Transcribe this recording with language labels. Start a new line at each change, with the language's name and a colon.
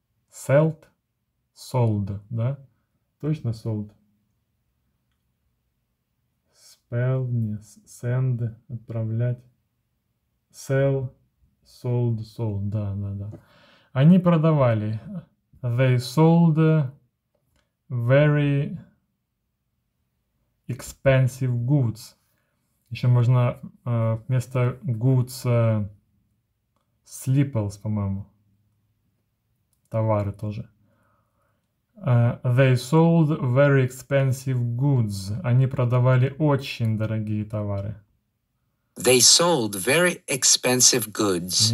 English: Sold. Sold, да? Точно sold.
Russian: Spell, не send, отправлять. Sell, sold, sold, да, да, да. Они продавали.
English: They sold very expensive goods.
Russian: Еще можно вместо goods slippers, по-моему. Товары тоже.
English: They sold very expensive goods.
Russian: Они продавали очень дорогие товары.
English: They sold very expensive goods.